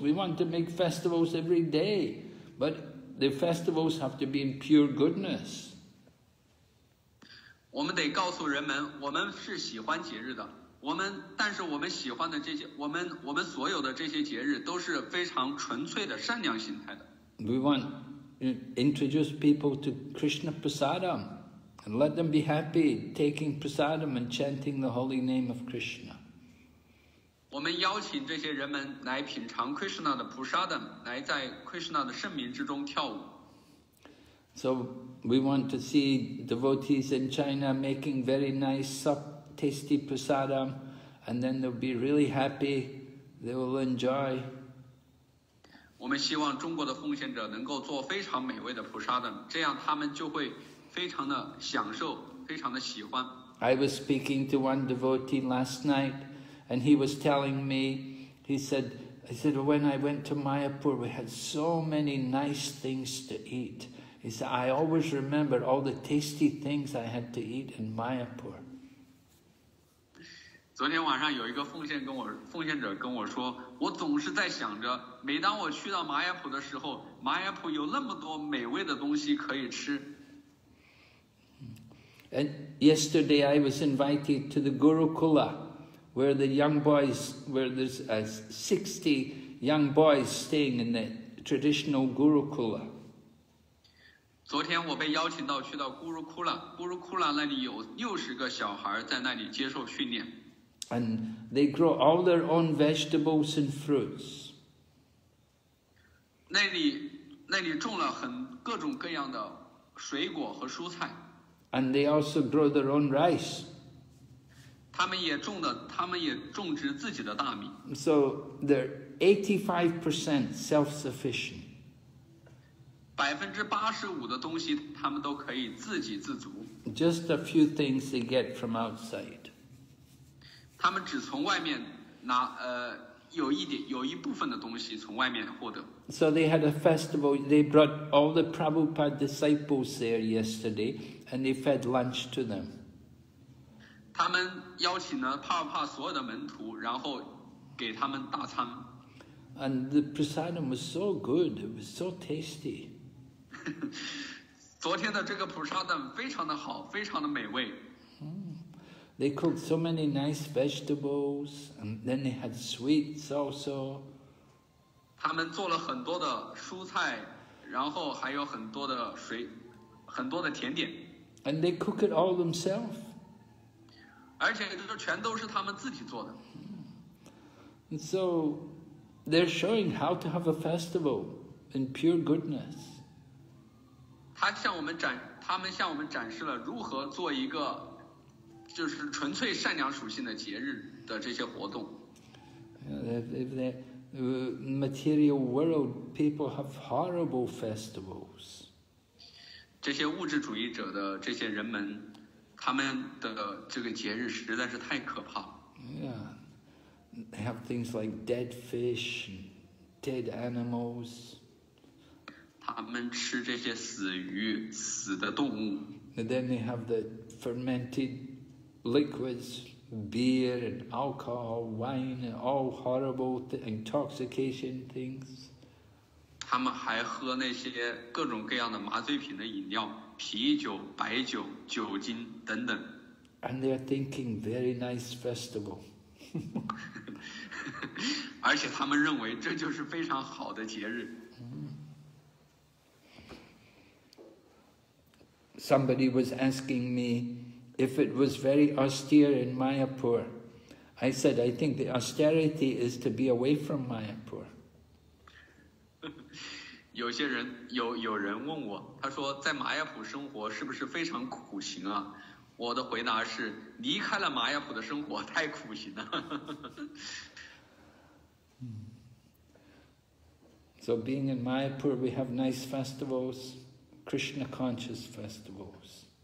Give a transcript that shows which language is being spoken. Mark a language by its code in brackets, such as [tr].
[en] We want to make festivals every day, but the festivals have to be in pure goodness. [zh] 我们得告诉人们，我们是喜欢节日的。我们但是我们喜欢的这些，我们所有的这些节日都是非常纯粹的善良心态的。 [en] We want to introduce people to Krishna Prasadam and let them be happy taking Prasadam and chanting the holy name of Krishna. [zh] 我们邀请这些人们来品尝 Krishna 的 Prasadam， 来在 Krishna 的圣名之中跳舞。 [en] So we want to see devotees in China making very nice tasty prasadam, and then they'll be really happy, they will enjoy. [zh] 我们希望中国的奉献者能够做非常美味的 prasadam， 这样他们就会非常的享受，非常的喜欢。 [en] I was speaking to one devotee last night, and he was telling me, he said, when I went to Mayapur, we had so many nice things to eat. He said, I always remember all the tasty things I had to eat in Mayapur. [zh] 昨天晚上有一个奉献者跟我说，我总是在想着，每当我去到玛雅普的时候，玛雅普有那么多美味的东西可以吃。 [en] And yesterday I was invited to the Gurukula, where the young boys, where there's 60 young boys staying in the traditional Gurukula. [zh] 昨天我被邀请到去到 Gurukula， Gurukula 那里有60个小孩在那里接受训练。 [en] And they grow all their own vegetables and fruits. [zh] 那里种了很各种各样的水果和蔬菜。 [en] And they also grow their own rice. [zh] 他们也种植自己的大米。 [en] So they're 85% self-sufficient. [zh] 85%的东西他们都可以自给自足。 [en] Just a few things they get from outside. [zh] 他们只从外面拿有一部分的东西从外面获得。 [en] So they had a festival. They brought all the Prabhupada disciples there yesterday, and they fed lunch to them. [zh] 他们邀请了帕帕所有的门徒，然后给他们大餐。 [en] And the prasadam was so good. It was so tasty. [zh] 昨天的这个 prasadam 非常的好，非常的美味。 [en] They cooked so many nice vegetables, and then they had sweets also. [zh] 他们做了很多的蔬菜，然后还有很多的水，很多的甜点。 [en] And they cook it all themselves. [zh] 而且这全都是他们自己做的。 [en] And so they're showing how to have a festival in pure goodness. [zh] 他们向我们展示了如何做一个就是纯粹善良属性的节日的这些活动。 [en] If the material world people have horrible festivals, [zh] 这些物质主义者的这些人们，他们的这个节日实在是太可怕。 [en] Yeah, they have things like dead fish, dead animals. [zh] 他们吃这些死鱼、死的动物。 [en] And then they have the fermented. Liquids, beer, and alcohol, wine, and all horrible intoxication things. [zh] 他们还喝那些各种各样的麻醉品的饮料，啤酒、白酒、酒精等等。 [en] And they are thinking very nice festival. [zh] 而且他们认为这就是非常好的节日。 [en] Somebody was asking me. If it was very austere in Mayapur, I said, I think the austerity is to be away from Mayapur. [zh] 有人问我，他说在玛雅普生活是不是非常苦行啊？我的回答是，离开了玛雅普的生活太苦行了。 [en] So being in Mayapur, we have nice festivals. Krishna conscious festivals.